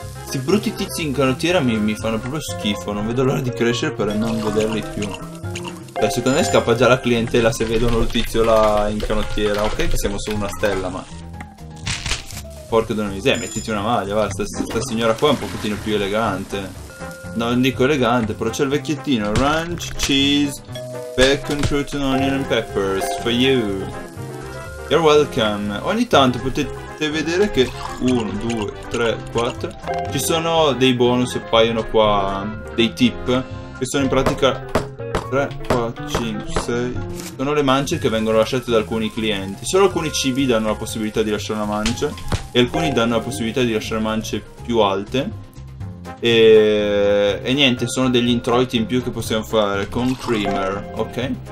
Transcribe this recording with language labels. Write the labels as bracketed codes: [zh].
[it] Questi brutti tizi in canottiera mi fanno proprio schifo, non vedo l'ora di crescere per non vederli più. Beh, secondo me scappa già la clientela se vedono il tizio là in canottiera. Ok, che siamo solo una stella, ma porca di una miseria, mettiti una maglia, va, sta signora qua è un pochettino più elegante. Non dico elegante, però c'è il vecchiettino. [en] Ranch, cheese, bacon, crouton, onion and peppers, for you. You're welcome. [it] Ogni tanto potete vedere che 1, 2, 3, 4, ci sono dei bonus, appaiono qua dei tip che sono in pratica 3, 4, 5, 6, sono le mance che vengono lasciate da alcuni clienti. Solo alcuni cibi danno la possibilità di lasciare una mancia e alcuni danno la possibilità di lasciare mance più alte e niente, sono degli introiti in più che possiamo fare con creamer, ok?